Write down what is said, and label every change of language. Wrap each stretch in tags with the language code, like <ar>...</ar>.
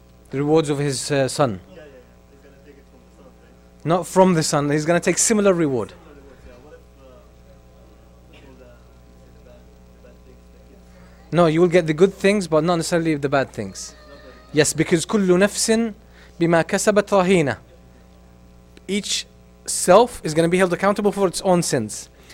<en>The rewards of his son. Yeah, yeah, yeah. He's gonna take it from the son, right? Not from the son, he's gonna take similar reward. Yeah. What if No, you will get the good things, but not necessarily the bad things. Yes, because</en> <ar>كل نفس بما كسبت رهينة.</ar> <en>Each self is going to be held accountable for its own sins.</en>